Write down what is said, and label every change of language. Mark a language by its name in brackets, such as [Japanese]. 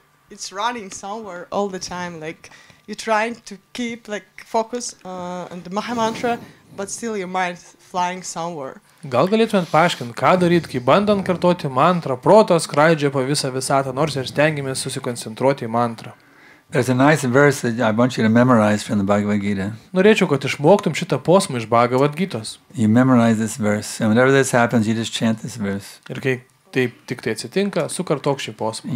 [English] It's running somewhere all the time, like you're trying to keep like focus on the Maha Mantra, but still your mind is flying somewhere. [Lithuanian] Gal galėtumėt paaiškinti, ką daryti, kai bandant kartoti mantrą, protas skraidžia po visą visatą, nors ir stengiamės susikoncentruoti į mantrą. [English] There's a nice verse that I want you to memorize from the Bhagavad Gita. [Lithuanian] Norėčiau, kad išmoktum šitą posmą iš Bhagavad Gitos. [English] You memorize this verse, and whenever this happens, you just chant this verse. [Lithuanian] Ir kai taip tik tai atsitinka, sukartok šį posmą.